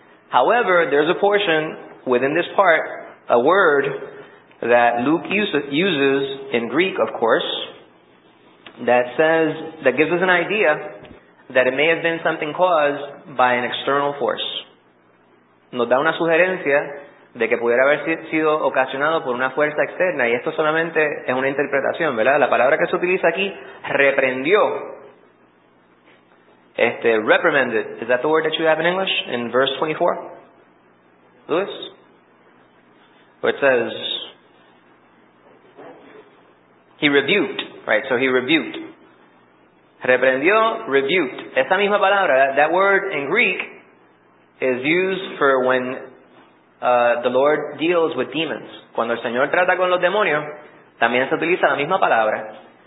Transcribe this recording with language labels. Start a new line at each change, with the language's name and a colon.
English: However, there's a portion within this part, a word that Luke uses in Greek, of course, that gives us an idea that it may have been something caused by an external force.
Spanish: Nos da una sugerencia de que pudiera haber sido ocasionado por una fuerza externa, y esto solamente es una interpretación, ¿verdad? La palabra que se utiliza aquí, reprendió. Reprimanded.
English: Is that the word that you have in English in verse 24? Lewis? Where it says, he rebuked, right? So he rebuked.
Spanish: Reprendió, rebuked. Esa misma palabra,
English: that word in Greek, is used for when the Lord deals with demons.
Spanish: Cuando el Señor trata con los demonios, también se utiliza la misma palabra.